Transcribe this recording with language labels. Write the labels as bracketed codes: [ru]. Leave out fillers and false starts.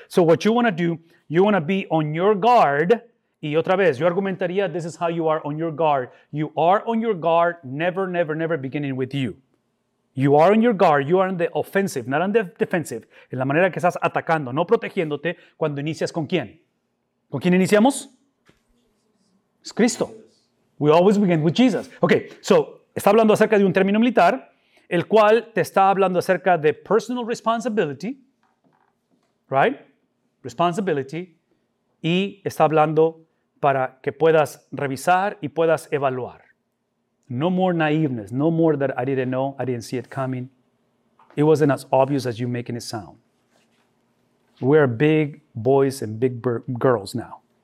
[en] So what you want to do, you want to be on your guard. [es] Y otra vez, yo argumentaría, [en] this is how you are on your guard. You are on your guard, never, never, never beginning with you. You are on your guard. You are on the offensive, not on the defensive. [es] En la manera que estás atacando, no protegiéndote, cuando inicias con quién. ¿Con quién iniciamos? Es Cristo. [en] We always begin with Jesus. Okay, [es] so está hablando acerca de un término militar, el cual te está hablando acerca de [en] personal responsibility, right? [es] Responsibility, y está hablando para que puedas revisar y puedas evaluar. [en] No more naiveness, no more that I didn't know, I didn't see it coming. It wasn't as obvious as you making it sound. We are big boys and big girls now.